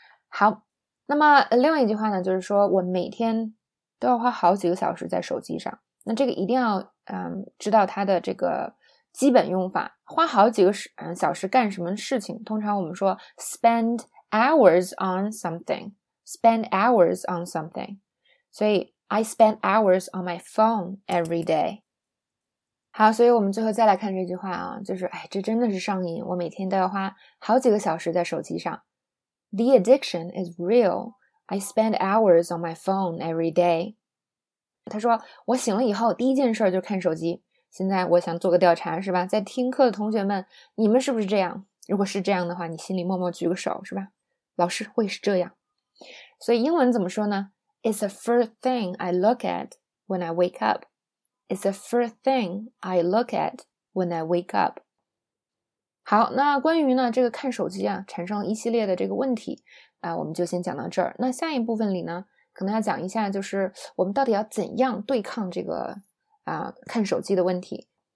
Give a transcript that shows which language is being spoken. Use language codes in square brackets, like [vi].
[zh] 好，那么另外一句话呢就是说我每天都要花好几个小时在手机上。那这个一定要知道它的这个基本用法。花好几个小时干什么事情，通常我们说 [en] spend hours on something, [zh] spend hours on something. 所以 [en] I spend hours on my phone every day. [zh] 好，所以我们最后再来看这句话啊，就是哎，这真的是上瘾，我每天都要花好几个小时在手机上。 [en] The addiction is real. I spend hours on my phone every day. [zh] 他说我醒了以后第一件事就看手机。现在我想做个调查是吧，在听课的同学们，你们是不是这样？如果是这样的话，你心里默默举个手是吧，老师会是这样。所以英文怎么说呢？ [en] It's the first thing I look at when I wake up. It's the first thing I look at when I wake up. [zh] 好，那关于呢这个看手机啊产生了一系列的这个问题啊、我们就先讲到这儿。那下一部分里呢可能要讲一下，就是我们到底要怎样对抗这个啊、看手机的问题。